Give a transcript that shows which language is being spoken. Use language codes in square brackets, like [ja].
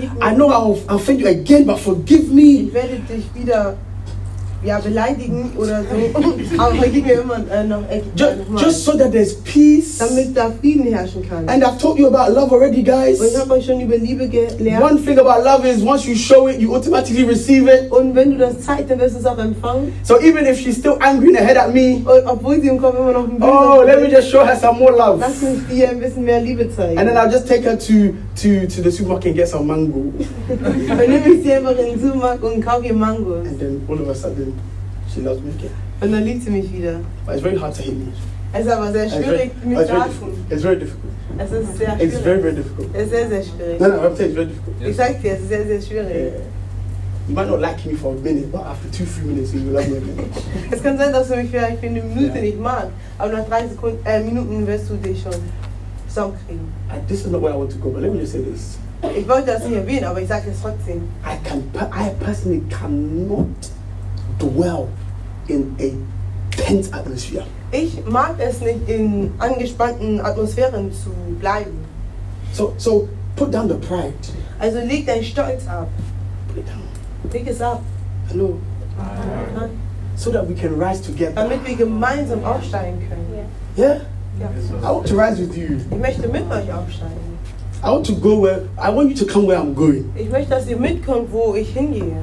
[en] I know I'll offend you again, but forgive me. [de] Ich werde dich wieder ja, beleidigen oder so. Aber vergib mir immer noch. [en] Just so that there's peace. [de] Damit da Frieden herrschen kann. [en] And I've told you about love already, guys. [de] Und ich habe euch schon über Liebe gelernt. [en] One thing about love is once you show it, you automatically receive it. [de] Und wenn du das zeigst, dann wirst du es auch empfangen. [en] So even if she's still angry in her head at me. [de] Und obwohl sie im Kopf immer noch ein bisschen. [en] Oh, let me just show her some more love. [de] Lass uns dir ein bisschen mehr Liebe zeigen. [en] And then I'll just take her to the supermarket and get some mango. [de] Und nimm ich sie einfach in den Supermarkt und kauf ihr Mango. [en] And then all of a sudden. She loves me again. [de] Und dann liebt sie mich wieder. [en] But it's very hard to hate me. [de] Es ist aber sehr schwierig, mich zu hassen. [en] It's very difficult. [de] Es ist sehr schwierig. [en] It's very, very difficult. [de] Es ist sehr, sehr schwierig. [en] No, I'm saying it's very difficult. [de] Ich sag dir, es ist sehr, sehr schwierig. [en] You might not like me for a minute, but after 2-3 minutes, you will love me again. [de] Es kann sein, dass du mich vielleicht für eine Minute nicht mag, aber nach 3 Minuten wirst du dich schon zusammenkriegen. [en] This is not where I want to go, but let me just say this. [de] Ich wollte das nicht erwähnen, aber ich sag es trotzdem. [en] I personally cannot dwell in a tense atmosphere. [de] Ich mag es nicht, in angespannten Atmosphären zu bleiben. [en] So put down the pride. [de] Also leg dein Stolz ab. [en] Put it down. [de] Leg es ab. [en] Hallo. So that we can rise together. [de] Damit wir gemeinsam aufsteigen können. [en] Yeah? Yeah. I want to rise with you. [de] Ich möchte mit euch aufsteigen. [en] I want to go where I want you to come where I'm going. [de] Ich möchte, dass ihr mitkommt, wo ich hingehe.